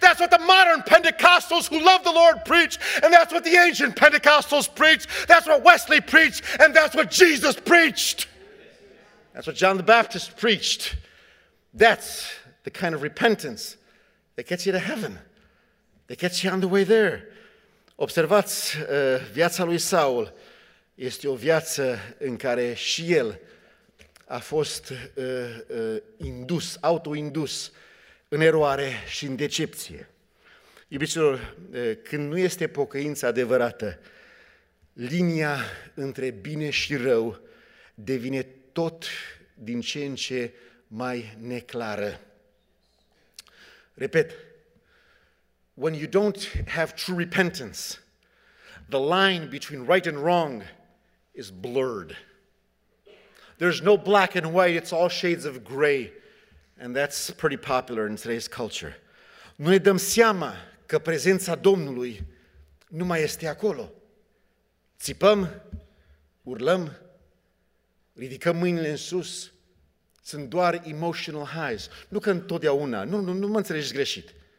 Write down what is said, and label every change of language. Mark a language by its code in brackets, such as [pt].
[en] That's what the modern Pentecostals who love the Lord preach. And that's what the ancient Pentecostals preached. That's what Wesley preached. And that's what Jesus preached. That's what John the Baptist preached. That's the kind of repentance that gets you to heaven. That gets you on the way there. [ro] Observați, viața lui Saul este o viață în care și el a fost indus, auto-indus în eroare și în decepție. Iubiților, când nu este pocăința adevărată, linia între bine și rău devine tot din ce în ce mai neclară. [en] Repet, when you don't have true repentance, the line between right and wrong is blurred. There's no black and white, it's all shades of gray. And that's pretty popular in today's culture. [ro] Nu ne dăm seama că prezența Domnului nu mai este acolo. Țipăm, urlăm, ridicăm mâinile în sus. Sunt doar [en] emotional highs. [ro] Nu că întotdeauna, nu mă înțelegeți greșit.